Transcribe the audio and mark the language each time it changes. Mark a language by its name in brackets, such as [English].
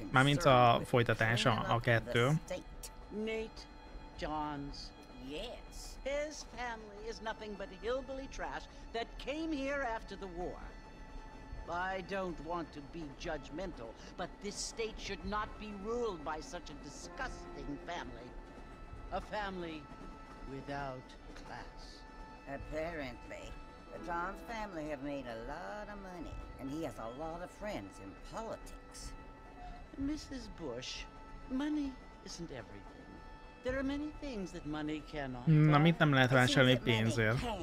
[Hungarian] Mármint a folytatás, a kettő. [English] Nate Johns, yes. His family is nothing but hillbilly trash that came here after the war. I don't want to be judgmental, but this state should not be ruled by such a disgusting family. A family without class. Apparently, the John's family have made a lot of money, and he has a lot of friends in politics. Mrs. Bush, money isn't everything. There are many things that money cannot buy. [Hungarian] Na, mit nem lehet vásárolni pénzért?